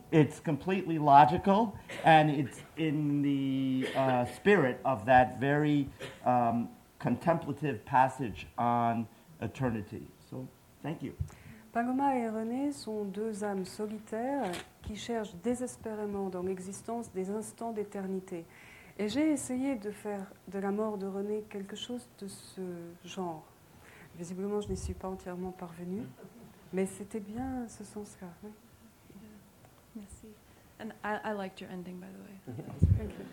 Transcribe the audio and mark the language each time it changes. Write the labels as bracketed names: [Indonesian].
[English] It's completely logical, and it's in the spirit of that very contemplative passage on eternity. So, thank you. [French] Paloma et René sont deux âmes solitaires qui cherchent désespérément dans l'existence des instants d'éternité. Et j'ai essayé de faire de la mort de René quelque chose de ce genre. Visiblement, je n'y suis pas entièrement parvenue, mais c'était bien ce sens-là. Oui. Yeah. Merci. [English] And I liked your ending, by the way.